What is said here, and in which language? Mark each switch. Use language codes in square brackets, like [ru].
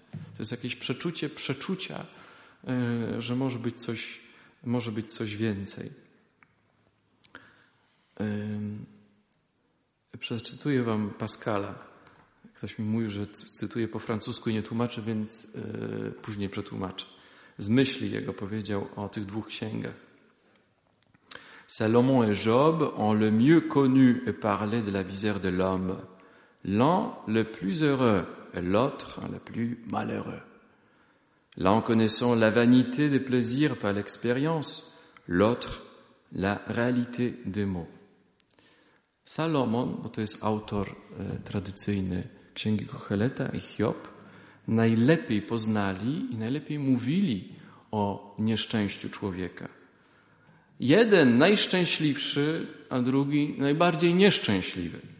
[pl] To jest jakieś przeczucia, że może być coś więcej. Przeczytuję wam Pascala. Ktoś mi mówił, że cytuję po francusku i nie tłumaczę, więc później przetłumaczę. Z myśli jego powiedział o tych dwóch księgach. [fr] Salomon et Job ont le mieux connu et parlé de la misère de l'homme. L'un le plus heureux et l'autre le plus malheureux. L'un connaissant la vanité des plaisirs par l'expérience, l'autre la réalité des mots. [pl] Salomon, bo to jest autor tradycyjny Księgi Koheleta i Hiob, najlepiej poznali i najlepiej mówili o nieszczęściu człowieka. Jeden najszczęśliwszy, a drugi najbardziej nieszczęśliwy.